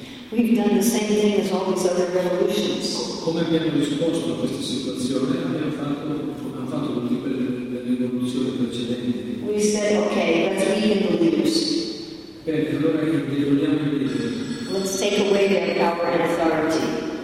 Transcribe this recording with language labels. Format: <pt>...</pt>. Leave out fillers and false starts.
<en>We've done the same thing as all these other revolutions.</en> <it>Come abbiamo risposto a questa situazione? Abbiamo fatto tutte le rivoluzioni precedenti.</it> <en>We said, okay, let's weaken the leaders.</en> <it>Bene, allora li vogliamo dire.</it> <en>Let's take away their power and authority.</en>